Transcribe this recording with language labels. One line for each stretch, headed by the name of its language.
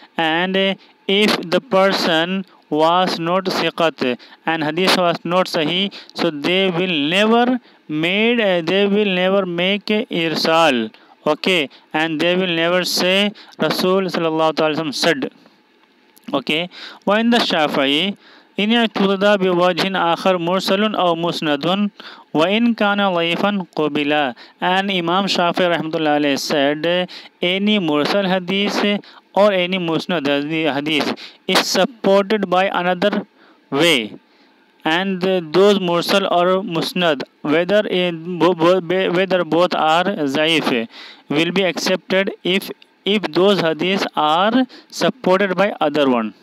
English: And if the person was not siqat and hadith was not sahih, so they will never make irsal. Okay, and they will never say rasul sallallahu ta'ala sallam said. Okay, wa in the Shafi'i
Arabic: إن اعتضد بوجه آخر مرسل أو مسند وإن كان ضعيفا قبلا.
English: And Imam Shafi'i rahmatullah alayhi said any mursal hadith or any musnad hadith is supported by another way, and those mursal or musnad whether both are ضعيف will be accepted if those hadith are supported by other one.